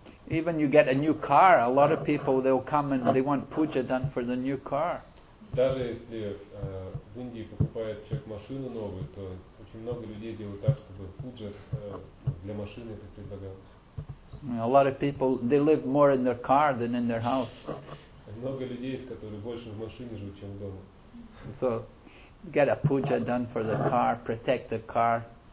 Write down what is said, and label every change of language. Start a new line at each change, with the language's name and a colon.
English: Even you get a new car, a lot of people, they'll come and they want puja done for the new car.
Russian: Даже если в Индии покупает человек машину новую, то очень много людей делают так, чтобы пуджа для машины это предлагалось.
English: A lot of people, they live more in their car than in their house.
Russian: Много людей, которые больше в машине живут, чем дома.
English: So, get a puja done for the car, protect the car.